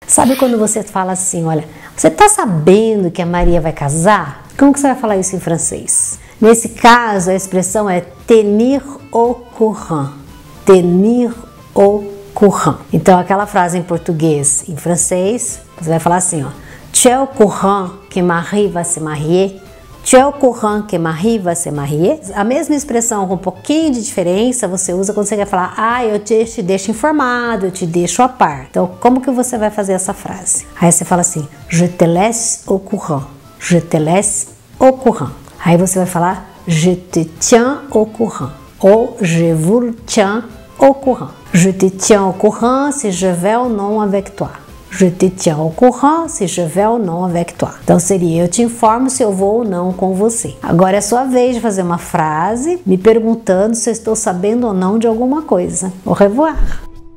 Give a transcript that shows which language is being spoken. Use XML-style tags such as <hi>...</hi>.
<pt>Sabe quando você fala assim, olha, você tá sabendo que a Maria vai casar? Como que você vai falar isso em francês? Nesse caso, a expressão é</pt> <fr>tenir au courant. Tenir au courant.</fr> <pt>Então, aquela frase em português, em francês, você vai falar assim, ó.</pt> <fr>Tu es au courant que Marie va se marier? Tu es au courant que Marie va se marier?</fr> <pt>A mesma expressão, com um pouquinho de diferença, você usa quando você quer falar, ah, eu te deixo informado, eu te deixo a par. Então, como que você vai fazer essa frase? Aí você fala assim,</pt> <fr>je te laisse au courant. Je te laisse au courant.</fr> <pt>Aí você vai falar,</pt> <fr>je te tiens au courant. Ou je vous tiens au courant. Je te tiens au courant si je vais ou non avec toi. Je te tiens au courant si je vais ou non avec toi.</fr> <pt>Então seria, eu te informo se eu vou ou não com você. Agora é a sua vez de fazer uma frase me perguntando se eu estou sabendo ou não de alguma coisa.</pt> <fr>Au revoir!</fr>